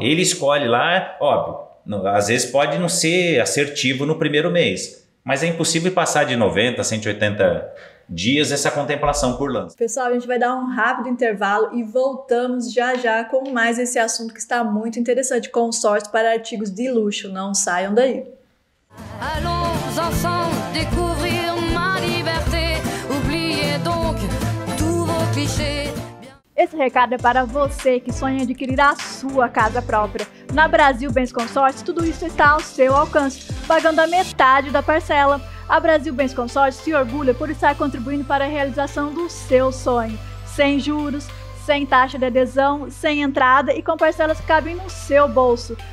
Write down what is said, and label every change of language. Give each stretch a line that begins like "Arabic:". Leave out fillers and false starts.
Portuguese: Ele escolhe lá, óbvio, às vezes pode não ser assertivo no primeiro mês, mas é impossível passar de 90, 180 dias essa contemplação por lance. Pessoal, a gente vai dar um rápido intervalo e voltamos já já com mais esse assunto que está muito interessante, consórcio para artigos de luxo. Não saiam daí.
French: Allons ensemble découvrir ma liberté. Oubliez donc tous vos clichés.
Portuguese: Esse recado é para você que sonha em adquirir a sua casa própria. Na Brasil Bens Consórcio, tudo isso está ao seu alcance, pagando a metade da parcela. A Brasil Bens Consórcio se orgulha por estar contribuindo para a realização do seu sonho. Sem juros, sem taxa de adesão, sem entrada e com parcelas que cabem no seu bolso.